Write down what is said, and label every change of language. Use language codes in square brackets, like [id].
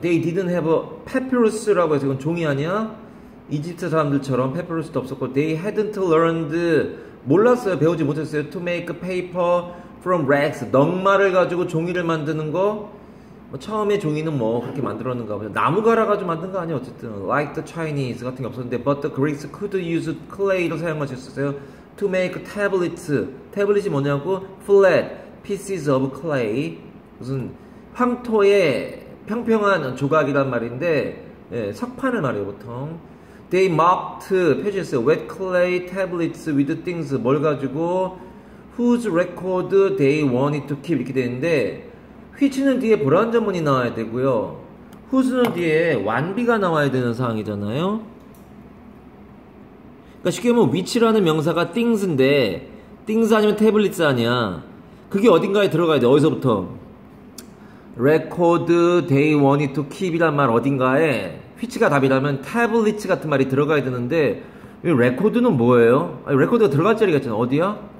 [en] They didn't have a papyrus [ko] 라고 해서 이건 종이 아니야? 이집트 사람들처럼 패피루스도 없었고 [en] they hadn't learned [ko] 몰랐어요 배우지 못했어요 [en] to make paper from rags [ko] 넝마를 가지고 종이를 만드는 거뭐 처음에 종이는 뭐 그렇게 만들었는가 보죠 나무 갈아가지고 만든 거 아니야 어쨌든 [en] like the Chinese [ko] 같은 게 없었는데 [en] but the Greeks could use clay [ko] 로 사용할 수 있었어요 [en] to make tablets [ko] 태블릿이 뭐냐고 [en] flat pieces of clay [ko] 무슨 황토의 평평한 조각이란 말인데 예, 석판을 말해요 보통 [en] They marked [ko] 표시했어요. [en] Wet clay tablets with things [ko] 뭘 가지고 [en] whose record they wanted to keep [ko] 이렇게 되는데 [en] which는 [ko] 뒤에 불완전문이 나와야 되고요. whose는 뒤에 완비가 나와야 되는 상황이잖아요. 그러니까 쉽게 말하면 which라는 명사가 things인데 things 아니면 tablets 아니야. 그게 어딘가에 들어가야 돼. 어디서부터? [en] record they wanted to keep [ko] 이란 말 어딘가에 휘치가 답이라면 태블릿 같은 말이 들어가야 되는데 이 레코드는 뭐예요? 아니, 레코드가 들어갈 자리가 있잖아 어디야?